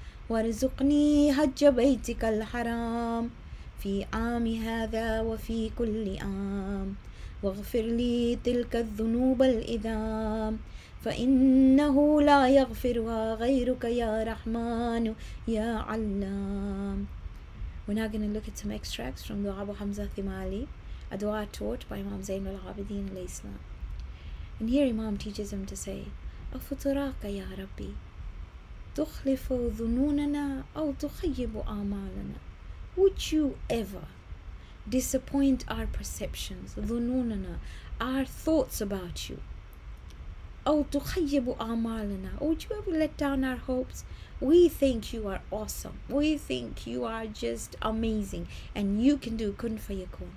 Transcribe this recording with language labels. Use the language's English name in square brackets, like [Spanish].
[Arabic] وارزقني حج بيتك الحرام في عام هذا وفي كل عام، واغفر لي تلك الذنوب الإثام فإنه لا يغفرها غيرك يا رحمن يا علام. [English] We're now going to look at some extracts from Dua Abu Hamza Thimali, a dua taught by Imam Zainul Abidin al-Islam. And here Imam teaches him to say, [Arabic] أَفُتُرَاكَ يَا رَبِّ تُخْلِفُ ذُنُونَنَا أَوْ تُخَيِّبُ أَعْمَالَنَا. [English] Would you ever disappoint our perceptions, ذُنُونَنَا, our thoughts about you? [Arabic] أَوْ تُخَيِّبُ أَعْمَالَنَا. [English] Would you ever let down our hopes? We think you are awesome. We think you are just amazing. And you can do kun fayakun.